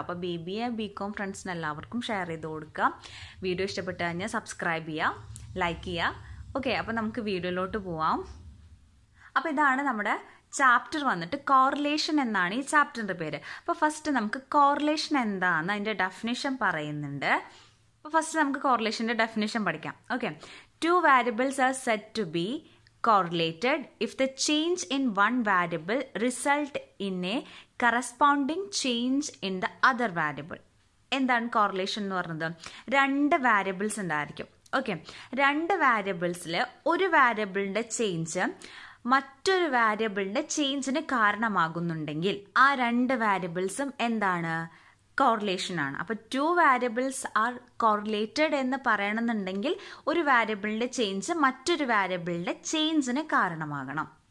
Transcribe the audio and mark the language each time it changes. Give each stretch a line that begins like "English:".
Malayalam: അപ്പോൾ BBA BCOM ഫ്രണ്ട്സിന് എല്ലാവർക്കും ഷെയർ ചെയ്ത് കൊടുക്കുക. വീഡിയോ ഇഷ്ടപ്പെട്ട് കഴിഞ്ഞാൽ സബ്സ്ക്രൈബ് ചെയ്യുക, ലൈക്ക് ചെയ്യുക. ഓക്കെ, അപ്പോൾ നമുക്ക് വീഡിയോയിലോട്ട് പോവാം. അപ്പോൾ ഇതാണ് നമ്മുടെ ചാപ്റ്റർ വന്നിട്ട് കോറിലേഷൻ എന്നാണ് ഈ ചാപ്റ്ററിൻ്റെ പേര്. അപ്പോൾ ഫസ്റ്റ് നമുക്ക് കോറിലേഷൻ എന്താണെന്ന് അതിൻ്റെ ഡെഫിനേഷൻ പറയുന്നുണ്ട്. അപ്പോൾ ഫസ്റ്റ് നമുക്ക് കോറിലേഷൻ്റെ ഡെഫിനേഷൻ പഠിക്കാം.
English: Okay, two variables are set to be correlated if the change in one variable result in a corresponding change in the other variable.
Malayalam: എന്താണ് കോറിലേഷൻ എന്ന് പറയുന്നത്? രണ്ട് വാരിയബിൾസ് ഉണ്ടായിരിക്കും. ഓക്കെ, രണ്ട് വാരിയബിൾസിൽ ഒരു വാരിയബിളിൻ്റെ ചേഞ്ച് മറ്റൊരു വാരിയബിളിൻ്റെ ചേഞ്ചിന് കാരണമാകുന്നുണ്ടെങ്കിൽ ആ രണ്ട് വാരിയബിൾസും എന്താണ്? കോറിലേഷൻ ആണ്. അപ്പോൾ
English: two variables are correlated
Malayalam: എന്ന് പറയണമെന്നുണ്ടെങ്കിൽ ഒരു വാരിയബിളിൻ്റെ ചേഞ്ച് മറ്റൊരു വാരിയബിളിൻ്റെ ചേഞ്ചിന് കാരണമാകണം.